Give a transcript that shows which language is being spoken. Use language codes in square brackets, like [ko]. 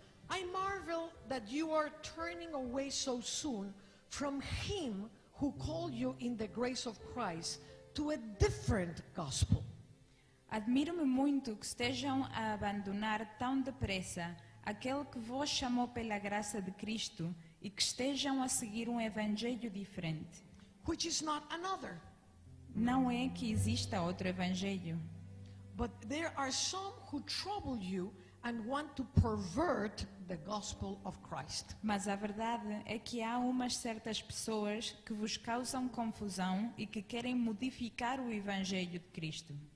[en] I marvel that you are turning away so soon from him who called you in the grace of Christ to a different gospel. [pt] Admiro-me muito que estejam a abandonar tão depressa aquele que vos chamou pela graça de Cristo e que estejam a seguir evangelho diferente. [en] Which is not another. [pt] Não é que exista outro evangelho. [en] But there are some who trouble you and want to pervert the gospel of Christ. [pt] Mas a verdade é que há umas certas pessoas que vos causam confusão e que querem modificar o evangelho de Cristo.